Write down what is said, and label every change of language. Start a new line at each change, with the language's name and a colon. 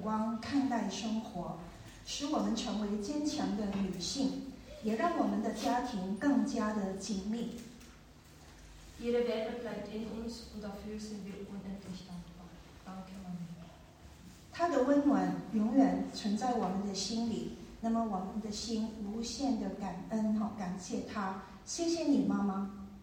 Chinese: 她教会了我们以爱和感恩的眼光看待生活, 使我们成为坚强的女性, 也让我们的家庭更加的紧密。
German: Ihre Werte bleibt in uns und dafür sind wir unendlich dankbar. Danke, Mama.
Chinese: 她的温暖永远存在我们的心里, 那么我们的心无限的感恩, 感谢她, 谢谢你妈妈。